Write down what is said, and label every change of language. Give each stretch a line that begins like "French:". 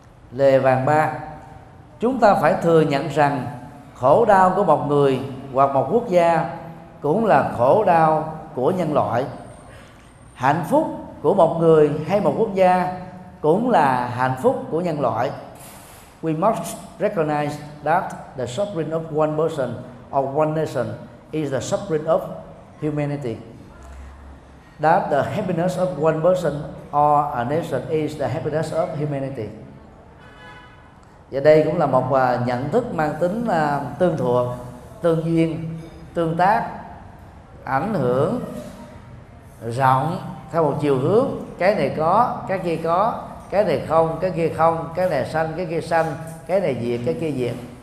Vietnamese: Lề vàng 3, chúng ta phải thừa nhận rằng khổ đau của một người hoặc một quốc gia cũng là khổ đau của nhân loại. Hạnh phúc của một người hay một quốc gia cũng là hạnh phúc của nhân loại.
English: We must recognize that the suffering of one person or one nation is the suffering of humanity. That the happiness of one person or a nation is the happiness of humanity.
Vietnamese: Và đây cũng là một nhận thức mang tính tương thuộc, tương duyên, tương tác, ảnh hưởng rộng theo một chiều hướng. Cái này có, cái kia có, cái này không, cái kia không, cái này xanh, cái kia xanh, cái này diệt, cái kia diệt.